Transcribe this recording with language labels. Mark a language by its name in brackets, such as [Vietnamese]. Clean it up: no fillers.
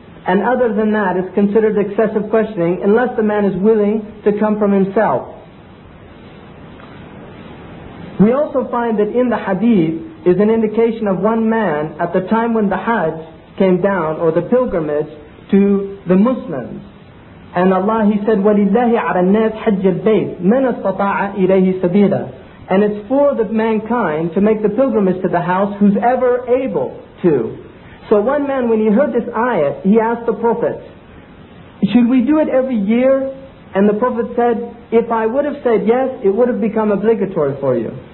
[English] And other than that, it's considered excessive questioning, unless the man is willing to come from himself. We also find that in the hadith is an indication of one man at the time when the Hajj came down, or the pilgrimage, to the Muslims. And Allah, He said, [Arabic] وَلِلَّهِ عَلَى النَّاسِ حَجَّ الْبَيْتِ مَنَ اسْتَطَاعَ إِلَيْهِ سَبِيلًا. [English] And it's for the mankind to make the pilgrimage to the house who's ever able to. So one man, when he heard this ayah, he asked the Prophet, should we do it every year? And the Prophet said, if I would have said yes, it would have become obligatory for you.